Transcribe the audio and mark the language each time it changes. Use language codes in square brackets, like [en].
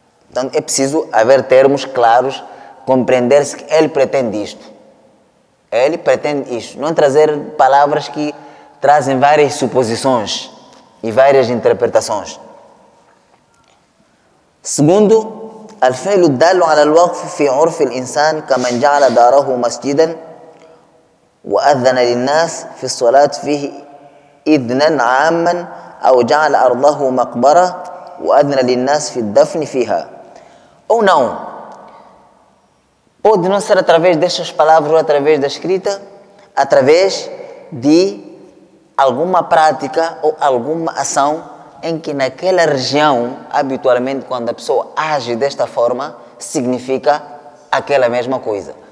[pt] Então é preciso haver termos claros, compreender-se que ele pretende isto. Ele pretende isto. Não trazer palavras que trazem várias suposições e várias interpretações. [ar] Segundo, الفعل الدال على الوقف في عرف الإنسان كمن جعل داره مسجدا وأذن للناس في الصلاة فيه إذنا عاما أو جعل أرضه مقبرة وأذن للناس في الدفن فيها. [pt] Ou não, pode não ser através destas palavras ou através da escrita, através de alguma prática ou alguma ação em que naquela região, habitualmente, quando a pessoa age desta forma, significa aquela mesma coisa.